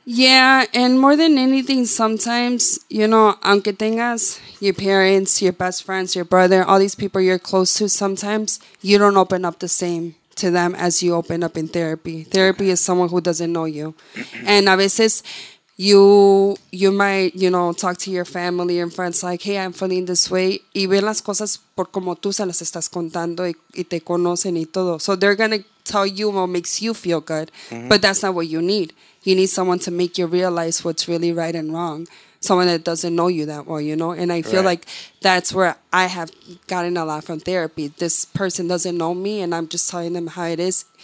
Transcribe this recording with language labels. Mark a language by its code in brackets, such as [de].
[en] Yeah, and more than anything, sometimes, you know, [es] aunque tengas, [en] your parents, your best friends, your brother, all these people you're close to, sometimes you don't open up the same to them as you open up in therapy. Therapy is someone who doesn't know you. And [es] a veces, [en] you might, you know, talk to your family and friends like, hey, I'm feeling this way. [es] Y ven las cosas por como tú se las estás contando y te conocen y todo. [en] So they're going to tell you what makes you feel good. Mm-hmm. But that's not what you need. You need someone to make you realize what's really right and wrong. Someone that doesn't know you that well, you know? And I feel like that's where I have gotten a lot from therapy. This person doesn't know me, and I'm just telling them how it is.